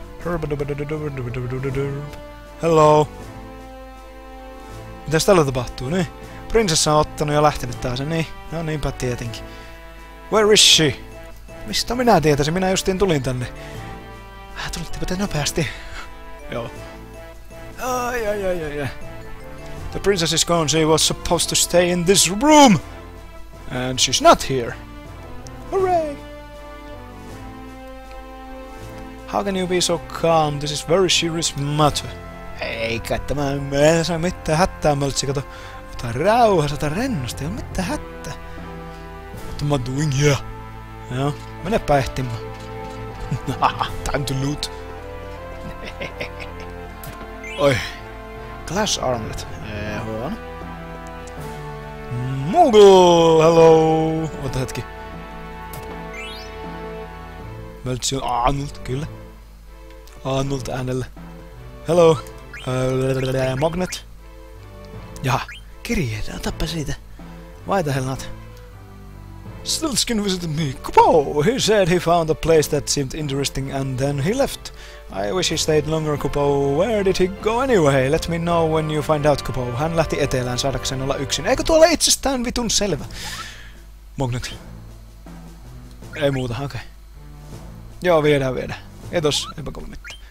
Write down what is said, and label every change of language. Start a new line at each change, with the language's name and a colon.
English: Herbadurp. Hello!
Finnish: Mitäs tällä tapahtuu, niin? Prinsessa on ottanut ja lähtenyt taas, niin? No niinpä tietenkin.
English: Where is she?
Finnish: Mistä minä tietäisin? Minä justiin tulin tänne. Tulittepä te nopeasti. Joo.
English: Ai ai ai ai ai. The princess is gone, she was supposed to stay in this room! And she's not here. Hooray! How can you be so calm? This is very serious matter.
Finnish: Ei kai tämä ei saa mitään hättää, Möltsi, kato. Ota rauhassa, ota rennosti, ei ole mitään hättää.
English: What am I doing here?
Finnish: Joo, mene päihtimään.
English: Time to loot. Oi. Glass armlet.
Finnish: Ei huono. Moogle,
English: hello.
Finnish: Ota hetki. Möltsi on Arnold, kyllä. Arnold äänellä.
English: Hello. Magnet.
Finnish: Jaha. Kirjeet, otapa siitä.
English: Why the hell not? Stiltskin visited me. Kupow! He said he found a place that seemed interesting and then he left. I wish he stayed longer, Kupow. Where did he go anyway? Let me know when you find out, Kupow.
Finnish: Hän lähti etelään saadakseen olla yksin. Eikö tuolla itsestään vitun selvä?
English: Magnet.
Finnish: Ei muuta, okei.
English: Okay.
Finnish: Joo, viedään, viedään. Kiitos, eipä kuule mitään.